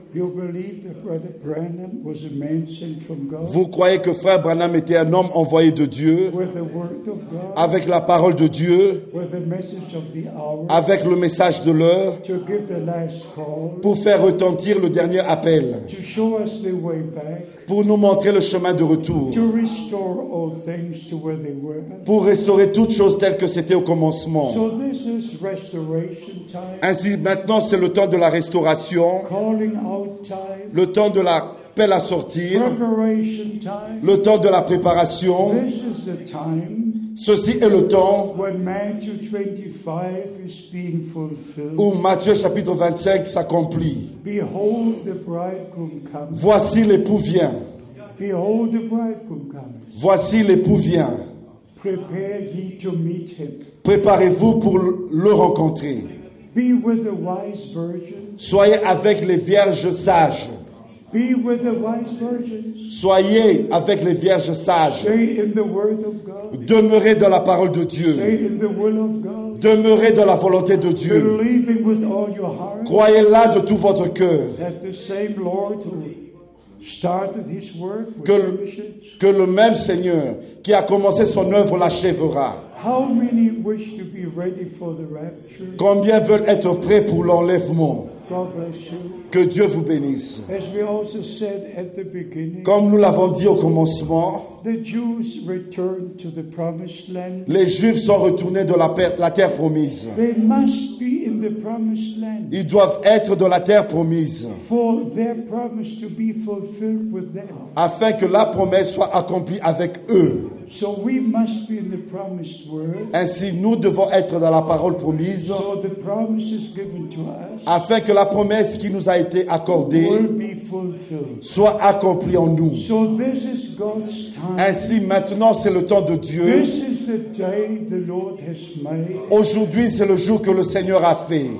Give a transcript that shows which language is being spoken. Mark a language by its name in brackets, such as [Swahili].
[English] You believe that Brother Branham was a man sent from God. [French] Vous croyez que Frère Branham était un homme envoyé de Dieu. [English] With the word of God. [French] Avec la parole de Dieu. [English] With the message of the hour. [French] Avec le message de l'heure. [English] To give the last call. [French] Pour faire retentir le dernier appel. [English] To show us the way back. [French] Pour nous montrer le chemin de retour. [English] To restore all things to where they were. [French] Pour restaurer toutes choses telles que c'était au commencement. [English] So this is restoration time. [French] Ainsi, maintenant, c'est le temps de la restauration. [English] Calling out time. [French] Le temps de l'appel à sortir. [English] Preparation time. [French] Le temps de la préparation. [English] This is the time. [French] Ceci est le temps [English] when Matthew 25 is being fulfilled. [French] Où Matthieu chapitre 25 s'accomplit. [English] Behold, the bridegroom comes. [French] Voici l'époux vient. [English] Behold, the bridegroom comes. [French] Voici l'époux vient. [English] Prepare ye to meet him. [French] Préparez-vous pour le rencontrer. [English] Be with the wise virgin. [French] Soyez avec les vierges sages. [English] Be with the wise virgins. [French] Soyez avec les vierges sages. [English] Stay in the word of God. [French] Demeurez dans la parole de Dieu. [English] Stay in the will of God. [French] Demeurez dans la volonté de Dieu. [English] Believing with all your heart. [French] Croyez là de tout votre cœur. [English] That the same Lord who started his work with [French] que le même Seigneur qui a commencé son œuvre l'achèvera. [English] How many wish to be ready for the rapture? [French] Combien veulent être prêts pour l'enlèvement? [English] God bless you. [French] Que Dieu vous bénisse. [English] As we also said at the beginning, [French] comme nous l'avons dit au commencement, [English] the Jews returned to the promised land. [French] Les Juifs sont retournés de la terre promise. [English] They must be in the promised land. [French] Ils doivent être dans la terre promise. [English] For their promise to be fulfilled with them. [French] Afin que la promesse soit accomplie avec eux. [English] So we must be in the promised world. [French] Ainsi, nous devons être dans la parole promise. [English] So the promise is given to us. [French] Afin que la promesse qui nous a été accordée soit accomplie en nous. [English] So this is God's time. [French] Ainsi, maintenant, c'est le temps de Dieu. [English] This is the day the Lord has made. [French] Aujourd'hui, c'est le jour que le Seigneur a fait.